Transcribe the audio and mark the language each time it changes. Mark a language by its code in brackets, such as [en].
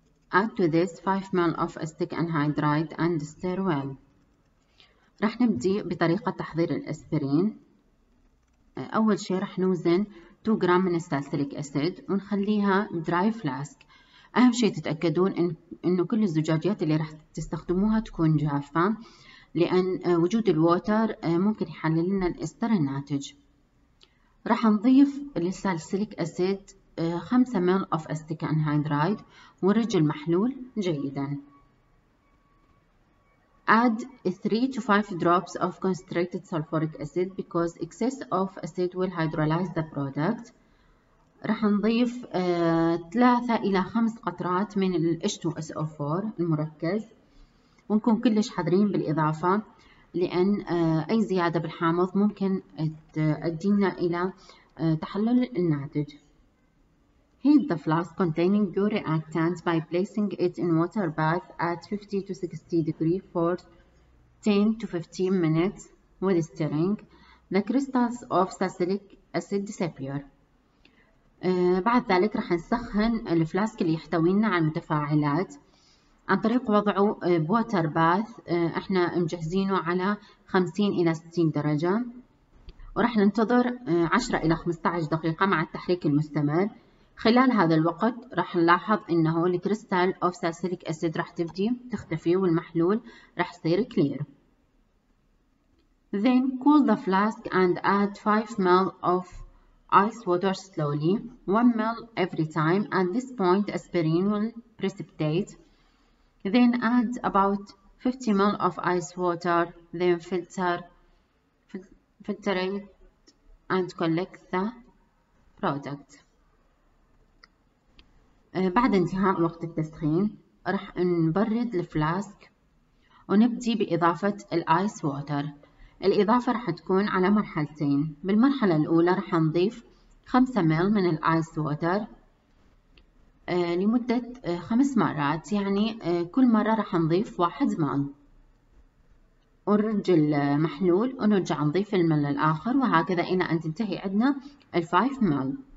[en] Add to this 5 ml of acetic anhydride and stir well. [ar] راح نبدي بطريقة تحضير الأسبرين. أول شيء راح نوزن 2 جرام من الساليسيليك أسيد ونخليها دراي فلاسك. أهم شيء تتأكدون إنه كل الزجاجات اللي راح تستخدموها تكون جافة، لأن وجود الووتر ممكن يحلل لنا الإستر الناتج. راح نضيف للساليسيليك أسيد 5 مل أوف أستيك أنهايدرايد ونرج المحلول جيدا. [en] Add 3 to 5 drops of concentrated sulfuric acid because excess of acid will hydrolyze the product. [ar] راح نضيف 3 إلى 5 قطرات من الـ H2SO4 المركز، ونكون كلش حذرين بالإضافة لأن أي زيادة بالحامض ممكن تؤدينا إلى تحلل الناتج. [en] Heat the flask containing your reactant by placing it in water bath at 50 to 60 degree for 10 to 15 minutes with stirring. The crystals of salicylic acid disappear. [ar] بعد ذلك راح نسخن الفلاسك اللي يحتوينا على المتفاعلات عن طريق وضعه بوتر باث احنا مجهزينه على 50 الى 60 درجة، وراح ننتظر 10 الى 15 دقيقة مع التحريك المستمر. خلال هذا الوقت راح نلاحظ انه الكريستال اوف ساسيليك اسيد راح تبدي تختفي والمحلول راح يصير كلير. [en] Then cool the flask and add 5 ml of ice water slowly, 1 ml every time. At this point aspirin will precipitate. Then add about 50 ml of ice water, then filter it and collect the product. [ar] بعد انتهاء وقت التسخين راح نبرد الفلاسك ونبدي بإضافة الآيس ووتر. الإضافة راح تكون على مرحلتين. بالمرحلة الأولى راح نضيف 5 ميل من الآيس ووتر لمدة 5 مرات، يعني كل مرة راح نضيف 1 ميل ونرج المحلول ونرجع نضيف الميل الآخر، وهكذا إلى أن تنتهي عندنا 5 ميل.